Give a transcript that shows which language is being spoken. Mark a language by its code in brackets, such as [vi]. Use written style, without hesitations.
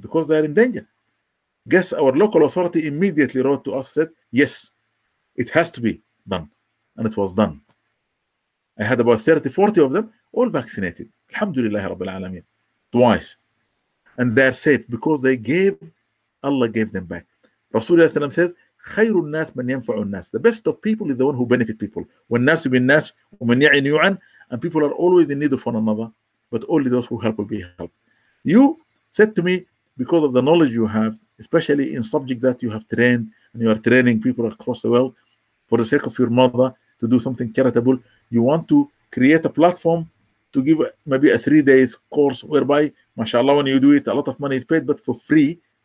[en] Because they are in danger. Guess our local authority immediately wrote to us, said, yes, it has to be done. And it was done. I had about 30, 40 of them all vaccinated. Alhamdulillah, Rabbil Alameen. Twice. And they're safe because they gave, Allah gave them back. Rasulullah says, [ar] خير الناس من ينفع الناس. [en] The best of people is the one who benefit people. When [ar] الناس بالناس ومن يعين يعن. [en] And people are always in need of one another. But only those who help will be helped. You said to me, because of the knowledge you have, especially in subject that you have trained, and you are training people across the world, for the sake of your mother, to do something charitable, you want to create a platform to give maybe a 3 days course whereby, mashallah, when you do it, a lot of money is paid, but for free.